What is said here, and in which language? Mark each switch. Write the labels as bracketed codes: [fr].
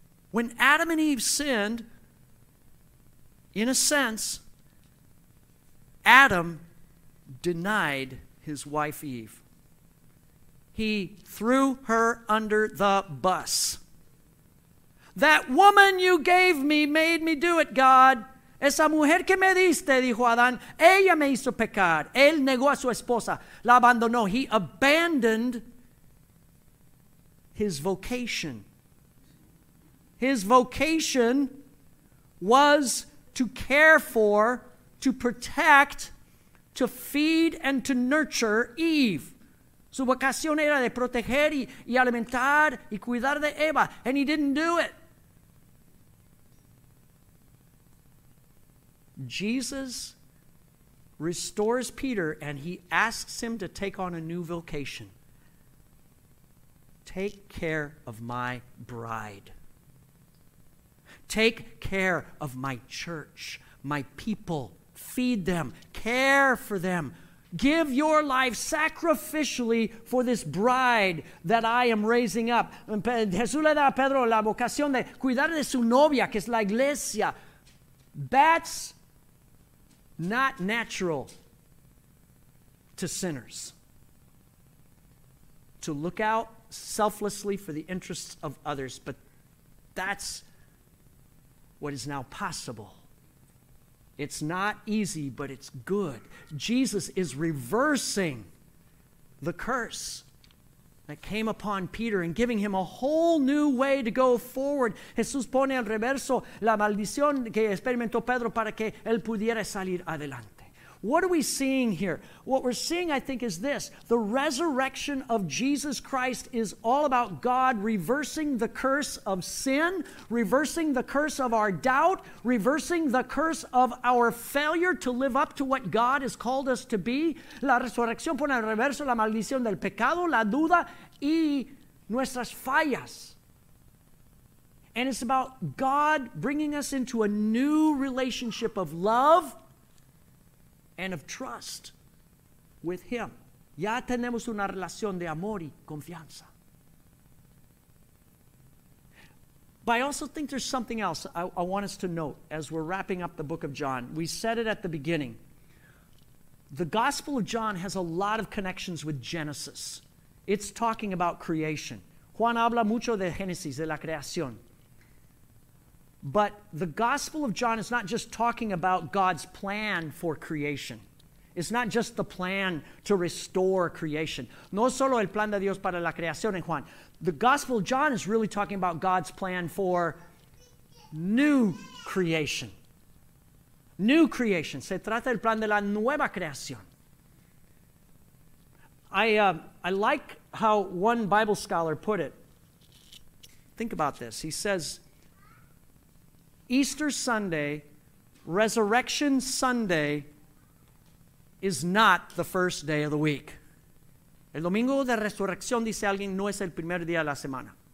[en] When Adam and Eve sinned, in a sense, Adam denied his wife Eve. He threw her under the bus. "That woman you gave me made me do it, God. [es] Esa mujer que me diste," dijo Adán, "ella me hizo pecar." Él negó a su esposa. La abandonó. [en] He abandoned his vocation. His vocation was to care for, to protect, to feed and to nurture Eve. [es] Su vocación era de proteger y alimentar y cuidar de Eva. [en] And he didn't do it. Jesus restores Peter and he asks him to take on a new vocation. Take care of my bride. Take care of my church, my people. Feed them, care for them. Give your life sacrificially for this bride that I am raising up. [es] Jesús le da a Pedro la vocación de cuidar de su novia, que es la iglesia. [en] That's not natural to sinners. To look out selflessly for the interests of others, but that's what is now possible. It's not easy, but it's good. Jesus is reversing the curse that came upon Peter and giving him a whole new way to go forward. [es] Jesús pone al reverso la maldición que experimentó Pedro para que él pudiera salir adelante. [en] What are we seeing here? What we're seeing, I think, is this. The resurrection of Jesus Christ is all about God reversing the curse of sin, reversing the curse of our doubt, reversing the curse of our failure to live up to what God has called us to be. [es] La resurrección pone al reverso la maldición del pecado, la duda y nuestras fallas. [en] And it's about God bringing us into a new relationship of love and of trust with him. [es] Ya tenemos una relación de amor y confianza. [en] But I also think there's something else I want us to note as we're wrapping up the book of John. We said it at the beginning. The Gospel of John has a lot of connections with Genesis. It's talking about creation. [es] Juan habla mucho de Génesis, de la creación. [en] But the Gospel of John is not just talking about God's plan for creation. It's not just the plan to restore creation. [es] No solo el plan de Dios para la creación en Juan. [en] The Gospel of John is really talking about God's plan for new creation. New creation. [es] Se trata del plan de la nueva creación. [en] I like how one Bible scholar put it. Think about this. He says, Easter Sunday, Resurrection Sunday, is not the first day of the week. [es] El domingo de resurrección, dice alguien, no es el primer día de la semana.